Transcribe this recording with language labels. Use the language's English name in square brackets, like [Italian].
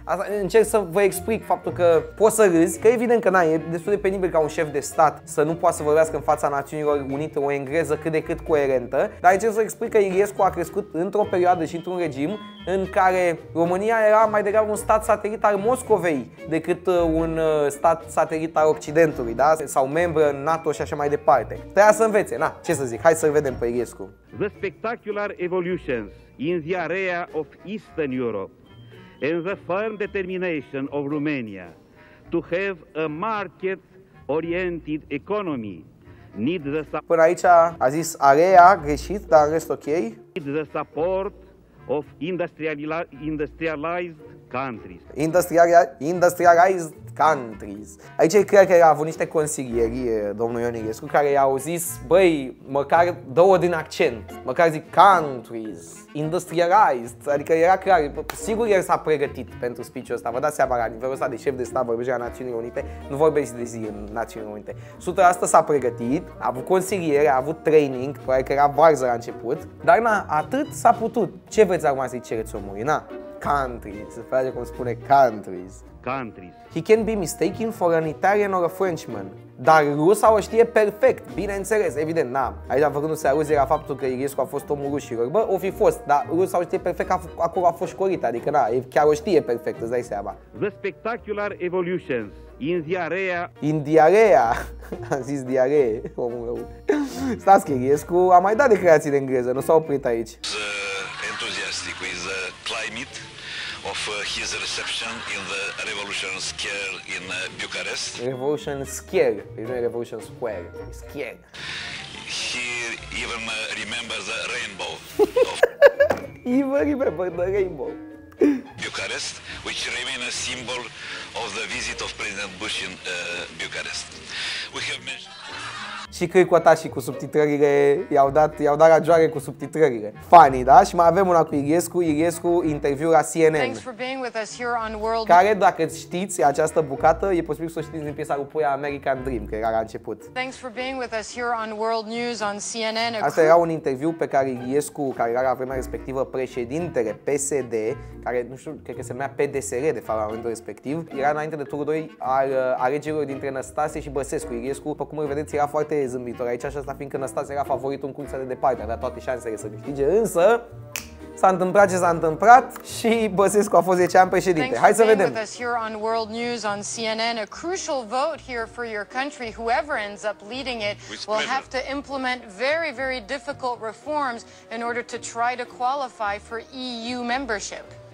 [Romanian] Asta încerc să vă explic faptul că poți să râzi, că evident că e destul de penibil ca un șef de stat să nu poată să vorbească în fața Națiunilor Unite o engleză cât de cât coerentă, dar încerc să explic că Iliescu a crescut într-o perioadă și într-un regim în care România era mai degrabă un stat satelit al Moscovei decât un stat satelit al Occidentului, da? Sau membru NATO și așa mai departe. Trebuia să învețe, na, ce să zic, hai să-l vedem pe Iliescu. [English] The spectacular evolutions in the area of Eastern Europe and the firm determination of Romania to have a market-oriented economy. [Romanian] Până aici a zis area greșit, dar în rest ok. [English] Need the support of industrialized countries. Industrialized countries. [Romanian] Aici cred că a avut niște consilieri, domnul Ion Iliescu, care i-au zis, băi, măcar două din accent. Măcar zic [English] countries, industrialized. [Romanian] Adică era clar, sigur el s-a pregătit pentru speech-ul ăsta. Vă dați seama, la nivelul ăsta de șef de stat vorbește la Națiunile Unite, nu vorbește de zi în Națiunile Unite. 100% s-a pregătit, a avut consiliere, a avut training, probabil că era varză la început. Dar na, atât s-a putut. Ce vreți acum să-i cereți omului, na? Countries, îți place cum spune countries. [English] Countries. He can be mistaken for an Italian or a Frenchman. [Romanian] Dar rusa o știe perfect, bineînțeles, evident, na. Aici vrându-se aluzie la faptul că Iliescu a fost omul rușilor. Bă, o fi fost, dar rusa o știe perfect, acolo a fost școlit, adică na, chiar o știe perfect, îți dai seama. [English] The spectacular evolutions in the area. In the area. [Romanian] Am zis diaree, omul meu. Stați că Iliescu a mai dat declarații de engleză, nu s-a oprit aici. [English] Enthusiastic with the climate of his reception in the Revolution Square in Bucharest. Revolution Square, not Revolution Square, Square. He even remembers the rainbow. Even remember the rainbow. Bucharest, which remains a symbol of the visit of President Bush in Bucharest. We have mentioned. [Romanian] Și cricotașii cu subtitrările i-au dat la joare cu subtitrările. Funny, da? Și mai avem una cu Iliescu. Iliescu, interviu la CNN. [English] Thanks for being with us here on World. [Romanian] Care, dacă știți această bucată, e posibil să o știți din piesa lui Puia, American Dream, că era la început. [English] Thanks for being with us here on World News on CNN. [Romanian] Asta era un interviu pe care Iliescu, care era la vremea respectivă președintele PSD, care, nu știu, cred că se numea PDSR, de fapt, la momentul respectiv, era înainte de turul 2 al alegerilor dintre Năstase și Băsescu. Iliescu, după cum vedeți, era foarte zâmbitor aici, asta fiindcă Năstase era favoritul în cursa de departe, avea toate șansele să câștige, însă s-a întâmplat ce s-a întâmplat și Băsescu a fost 10 ani președinte. Hai să vedem. [English] Thanks for being with us here on World News on CNN. A crucial vote here for your country. Whoever ends up leading it will have to implement very, very difficult reforms in order to try to qualify for EU membership.